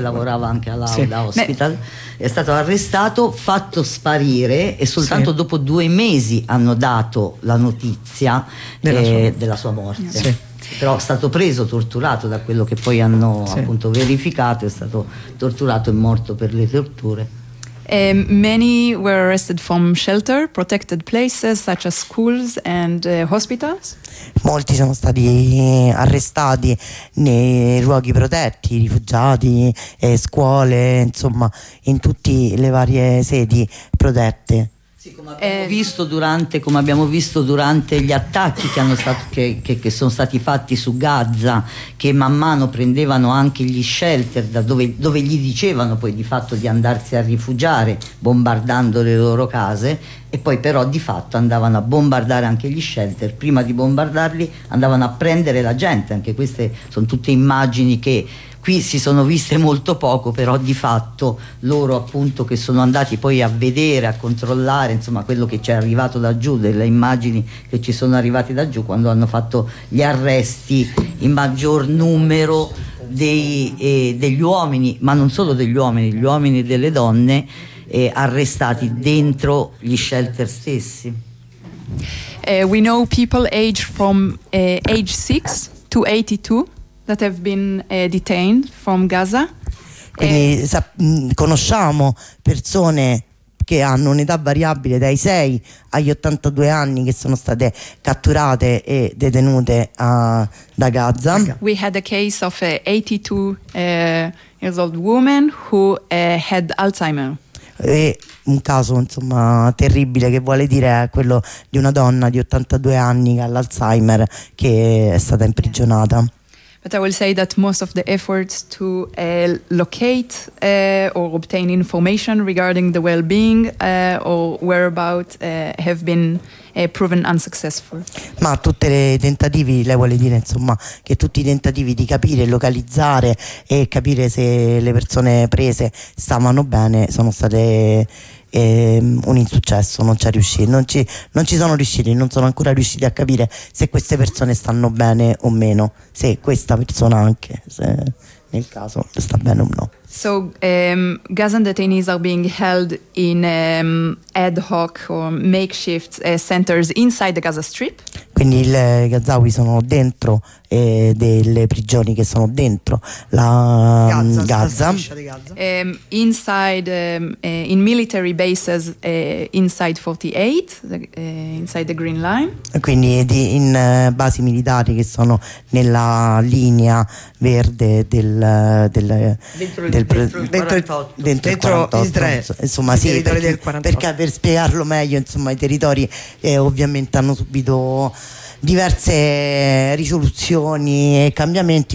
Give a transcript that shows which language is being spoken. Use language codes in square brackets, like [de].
[it] Lavorava anche a Lauda sì. Hospital. È stato arrestato, fatto sparire e soltanto sì. Dopo 2 mesi hanno dato la notizia della sua morte. Sì. Però è stato preso, torturato, da quello che poi hanno sì. Appunto verificato, è stato torturato e morto per le torture. [en] Many were arrested from shelter, protected places such as schools and hospitals. [it] Molti sono stati arrestati nei luoghi protetti, rifugiati, scuole, insomma, in tutte le varie sedi protette. Come abbiamo visto durante gli attacchi che sono stati fatti su Gaza, che man mano prendevano anche gli shelter da dove gli dicevano poi di fatto di andarsi a rifugiare bombardando le loro case, e poi però di fatto andavano a bombardare anche gli shelter, prima di bombardarli andavano a prendere la gente. Anche queste sono tutte immagini che qui si sono viste molto poco, però di fatto loro appunto che sono andati poi a vedere, a controllare, insomma, quello che ci è arrivato da giù, delle immagini che ci sono arrivate da giù, quando hanno fatto gli arresti in maggior numero degli uomini, ma non solo degli uomini, gli uomini e delle donne arrestati dentro gli shelter stessi. [en] We know people aged from age 6 to 82. That have been detained from Gaza. [it] Quindi conosciamo persone che hanno un'età variabile dai 6 agli 82 anni che sono state catturate e detenute da Gaza. [en] We had a case of an 82-year-old woman who had Alzheimer. [it] E un caso, insomma, terribile, che vuole dire è quello di una donna di 82 anni che ha l'Alzheimer, che è stata imprigionata. [en] But I will say that most of the efforts to locate or obtain information regarding the well-being or whereabout have been proven unsuccessful. [it] Ma tutte le tentativi, lei vuole dire, insomma, che tutti i tentativi di capire, localizzare e capire se le persone prese stavano bene sono state un insuccesso, non ci sono riusciti, non sono ancora riusciti a capire se queste persone stanno bene o meno, se questa persona anche, se nel caso, sta bene o no. [en] So Gazan detainees are being held in ad hoc or makeshift centers inside the Gaza Strip. [it] Quindi i Gazawi sono dentro delle prigioni che sono dentro la Gaza. [en] Inside in military bases inside 48, inside the Green Line. [it] Quindi in basi militari che sono nella linea verde dentro il 48. Israele, insomma, sì, perché per spiegarlo meglio, insomma, i territori ovviamente hanno subito diverse risoluzioni e cambiamenti.